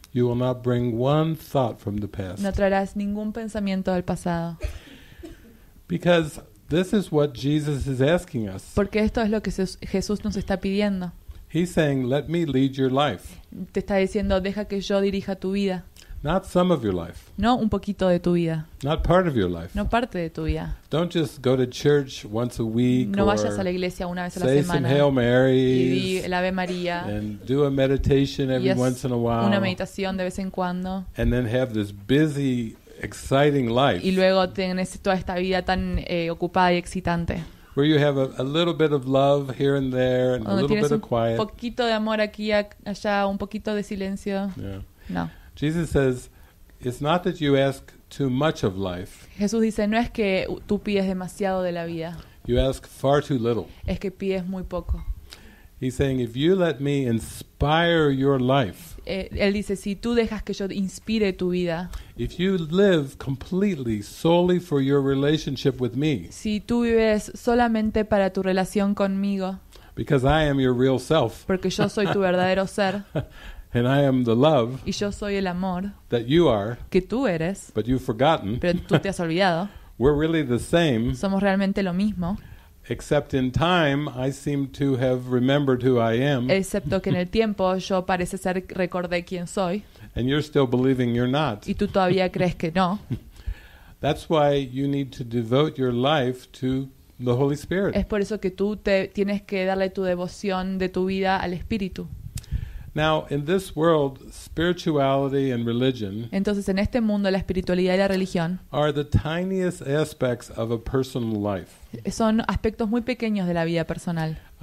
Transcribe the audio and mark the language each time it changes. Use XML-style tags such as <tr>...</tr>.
<en>You will not bring one thought from the past.</en> <es>No traerás ningún pensamiento del pasado.</es> <en>Because this is what Jesus is asking us.</en> <es>Porque esto es lo que Jesús nos está pidiendo.</es> <en>He's saying, "Let me lead your life."</en> <es>Te está diciendo, deja que yo dirija tu vida.</es> <en>Not some of your life.</en> <es>No un poquito de tu vida.</es> <en>Not part of your life.</en> <es>No parte de tu vida.</es> <en>Don't just go to church once a week.</en> <es>No vayas a la iglesia una vez a la semana.</es> <en>Say some Hail Marys.</en> <es>Y di el Ave María.</es> <en>And do a meditation every once in a while.</en> <es>Una meditación de vez en cuando.</es> <en>And then have this busy, exciting life.</en> <es>Y luego tienes toda esta vida tan ocupada y excitante.</es> <en>Where you have a little bit of love here and there, and a little bit of quiet.</en> <es>Un poquito de amor aquí allá, un poquito de silencio.</es> <en>Yeah.</en> <es>No.</es> <en>Jesus says, "It's not that you ask too much of life."</en> <es>Jesús dice, no es que tú pides demasiado de la vida.</es> <en>You ask far too little.</en> <es>Es que pides muy poco.</es> <en>He's saying, "If you let me inspire your life."</en> <es>Él dice, si tú dejas que yo inspire tu vida.</es> <en>If you live completely solely for your relationship with me.</en> <es>Si tú vives solamente para tu relación conmigo.</es> <en>Because I am your real self.</en> <es>Porque yo soy tu verdadero ser.</es> <en>And I am the love.</en> <es>Y yo soy el amor.</es> <en>That you are.</en> <es>Que tú eres.</es> <en>But you've forgotten.</en> <es>Pero tú te has olvidado.</es> <en>We're really the same.</en> <es>Somos realmente lo mismo.</es> <en>Except in time, I seem to have remembered who I am.</en> <es>Excepto que en el tiempo yo parece ser recordé quién soy.</es> <en>And you're still believing you're not.</en> <es>Y tú todavía crees que no.</es> <en>That's why you need to devote your life to the Holy Spirit.</en> <es>Es por eso que tú te tienes que darle tu devoción de tu vida al Espíritu.</es> <en>Now, in this world, spirituality and religion</en> <es>entonces, en este mundo, la espiritualidad y la religión</es> <en>are the tiniest aspects of a personal life.</en> <es>Son aspectos muy pequeños de la vida personal.</es>